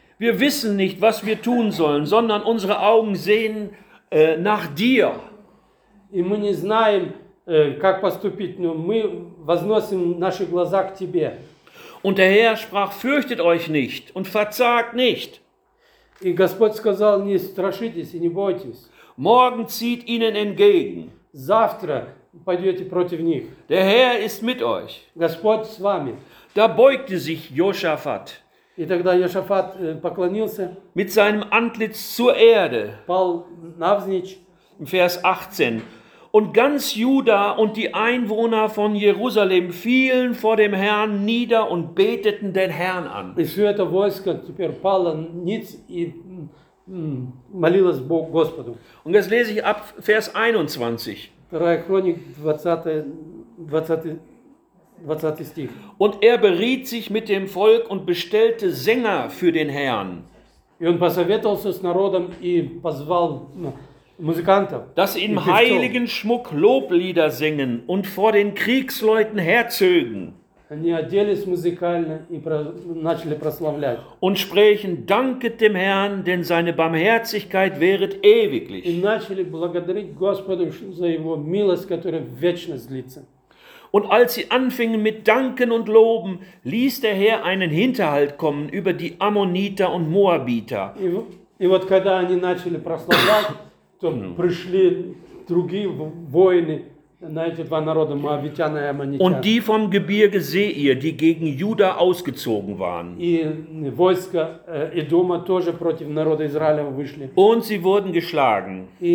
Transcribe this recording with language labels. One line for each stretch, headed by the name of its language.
German: Wir wissen nicht, was wir tun sollen, sondern unsere Augen sehen nach dir.
Russian: И мы не знаем, как поступить, но мы возносим наши глаза к тебе.
German: Und der Herr sprach: Fürchtet euch nicht und verzagt nicht.
Russian: И Господь сказал: Не страшитесь и не бойтесь.
German: Morgen zieht ihnen entgegen.
Russian: Завтра пойдете против них.
German: Der Herr ist mit euch.
Russian: Господь с вами.
German: Da beugte sich Josaphat.
Russian: И тогда Иосафат поклонился.
German: Mit seinem Antlitz zur Erde.
Russian: Пал навзничь.
German: Im Vers 18. Und ganz Juda und die Einwohner von Jerusalem fielen vor dem Herrn nieder und beteten den Herrn an.
Russian: И все это войско теперь пало ниц и молилось Господу.
German: Und das lese ich ab Vers 21. 2. Chronik 20. Stich. Und er beriet sich mit dem Volk und bestellte Sänger für den Herrn.
Russian: И он посоветовался с народом и позвал музыкантов.
German: Dass im heiligen Schmuck Loblieder singen und vor den Kriegsleuten herzögen.
Russian: Они оделись музыкально и начали прославлять.
German: Und sprechen: Danket dem Herrn, denn seine Barmherzigkeit währet ewiglich.
Russian: И начали благодарить Господу за его милость, которая вечно длится.
German: Und als sie anfingen mit Danken und Loben, ließ der Herr einen Hinterhalt kommen über die Ammoniter und Moabiter.
Russian: И вот когда они начали прославлять, то пришли другие воины.
German: Und die vom Gebirge Seir, die gegen Juda ausgezogen waren. Und sie wurden geschlagen.